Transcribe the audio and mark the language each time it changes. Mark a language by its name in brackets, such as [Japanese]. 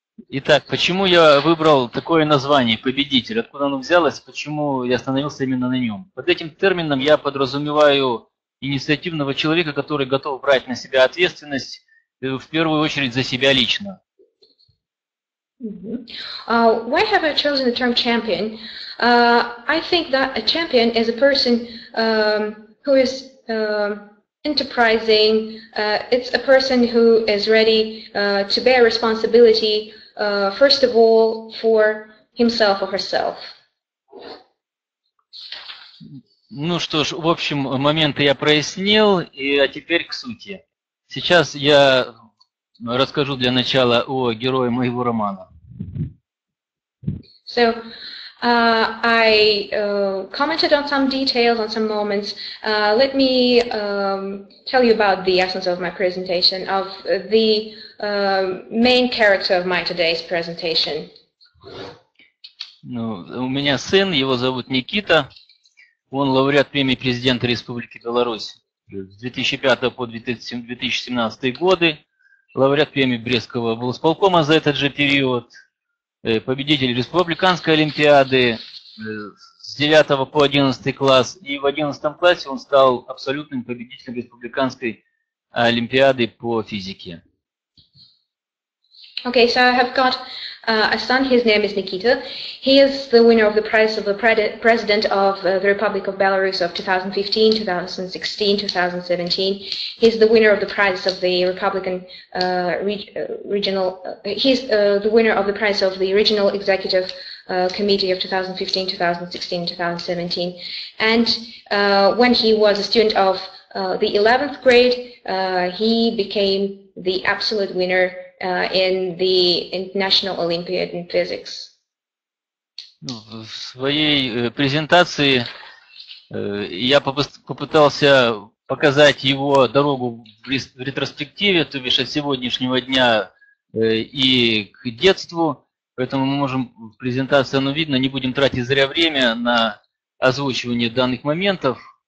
[Russian] Итак, почему я выбрал такое название «победитель»? Откуда оно взялось? Почему я остановился именно на нем? Под этим термином я подразумеваю инициативного человека, который готов брать на себя ответственность в первую очередь за себя лично. [English] Why have I chosen the term champion? I think that a champion is a person who is enterprising. It's a person who is ready to bear responsibility first of all for himself or herself. [Russian] Ну что ж, в общем, моменты я прояснил, а теперь к сути. Сейчас я расскажу для начала о герое моего романа. [English] So, I commented on some details, on some moments. Let me tell you about the essence of my presentation, of the main character of my today's presentation. [Russian] Ну, у меня сын, его зовут Никита. Он лауреат премии президента Республики Беларусь с 2005 по 2017 годы. Лауреат премии Брестского облсполкома за этот же период. Победитель Республиканской Олимпиады с 9 по 11 класс. И в 11 классе он стал абсолютным победителем Республиканской Олимпиады по физике. [English] Okay, so I have got a son, his name is Nikita. He is the winner of the prize of the President of the Republic of Belarus of 2015, 2016, 2017. He's the winner of the prize of the Republican the winner of the prize of the Regional Executive Committee of 2015, 2016, 2017. And when he was a student of the 11th grade, he became the absolute winner in the International Olympiad in Physics. [Russian] В своей презентации я попытался показать его дорогу в ретроспективе, то бишь от сегодняшнего дня и к детству, поэтому мы можем в презентации, оно видно, не будем тратить зря время на озвучивание данных моментов.